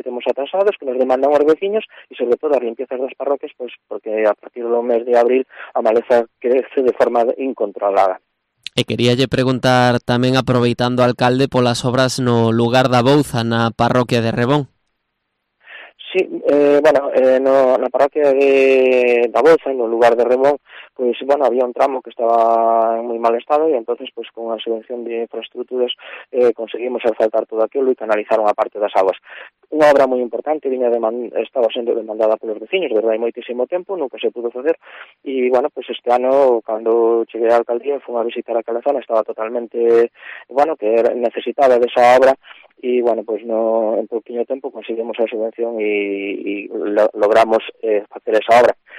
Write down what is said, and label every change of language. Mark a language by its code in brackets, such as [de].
[es] que tenemos atrasados, que nos demandan los vecinos, y sobre todo las limpiezas de las parroquias, pues porque a partir del mes de abril la maleza crece de forma incontrolada. [gl] E quería lle preguntar tamén, aproveitando, alcalde, polas obras no lugar da Bouza, na parroquia de Rebón. [es] Sí, bueno, no, [gl] na parroquia de da Bouza, no lugar de Rebón, [es] pues bueno, había un tramo que estaba en muy mal estado, y entonces pues con la subvención de infraestructuras conseguimos asfaltar todo aquello y canalizar una parte [gl] das aguas. [es] Una obra muy importante, estaba siendo demandada por los vecinos, ¿verdad? Hay muchísimo tiempo, nunca se pudo hacer, y bueno, pues este año, cuando llegué a la alcaldía, fui a visitar aquella zona, estaba totalmente, bueno, que necesitaba de esa obra, y bueno, pues no, en poquito tiempo conseguimos la subvención y logramos hacer esa obra.